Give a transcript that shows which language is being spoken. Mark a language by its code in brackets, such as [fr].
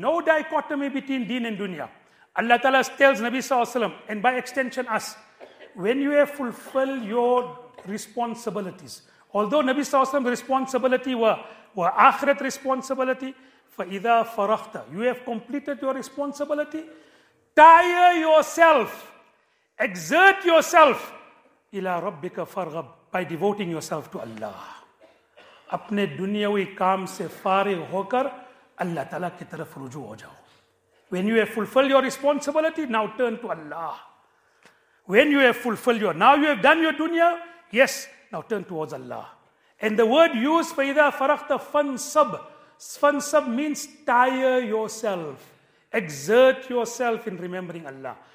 [en] No dichotomy between deen and dunya. Allah Ta'ala tells Nabi Sallallahu Alaihi Wasallam, and by extension us, when you have fulfilled your responsibilities, although Nabi Sallallahu Alaihi Wasallam's responsibility were akhirat responsibility, [ar] فَإِذَا فَرَغْتَ, [en] you have completed your responsibility, tire yourself, exert yourself, [ar] إِلَىٰ رَبِّكَ فَرْغَبْ, [en] by devoting yourself to Allah. [ur] اپنے دنیاوی کام سے فارغ ہو کر اللہ تعالیٰ کی طرف رجوع ہو جاؤ. [en] When you have fulfilled your responsibility, now turn to Allah. When you have fulfilled your, now you have done your dunya, yes, now turn towards Allah. And the word used, [ar] فَإِذَا فَرَغْتَ فَانْصَبْ, [en] Fansab means tire yourself, exert yourself in remembering Allah.